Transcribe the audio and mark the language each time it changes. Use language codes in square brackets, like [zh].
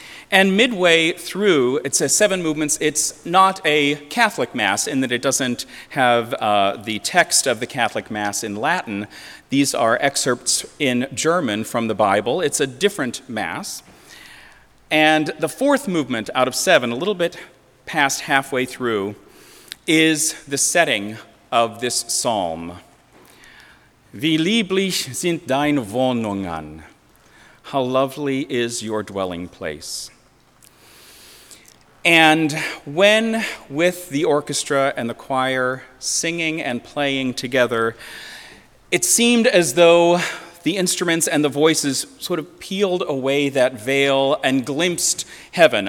[en] And midway through, it says seven movements, it's not a Catholic Mass in that it doesn't have the text of the Catholic Mass in Latin. These are excerpts in German from the Bible. It's a different Mass. And the fourth movement out of seven, a little bit past halfway through, is the setting of this psalm. [de] Wie lieblich sind deine Wohnungen. [en] How lovely is your dwelling place. And when, with the orchestra and the choir singing and playing together, it seemed as though the instruments and the voices sort of peeled away that veil and glimpsed heaven.